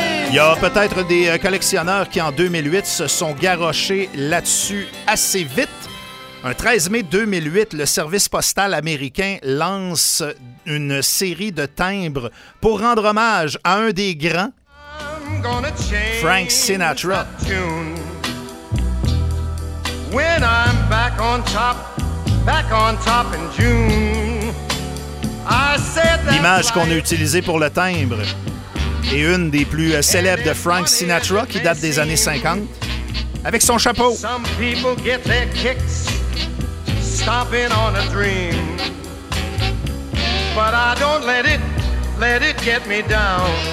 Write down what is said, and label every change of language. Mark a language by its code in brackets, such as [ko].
[fr] Il y a peut-être des collectionneurs qui en 2008 se sont garochés là-dessus assez vite. Un 13 mai 2008, le service postal américain lance une série de timbres pour rendre hommage à un des grands, Frank Sinatra. [en] When I'm back on top in June, I said that. [fr] L'image qu'on a utilisée pour le timbre est une des plus célèbres de Frank Sinatra qui date des années 50, avec son chapeau. [en] Some people get their kicks stomping on a dream. But I don't let it get me down.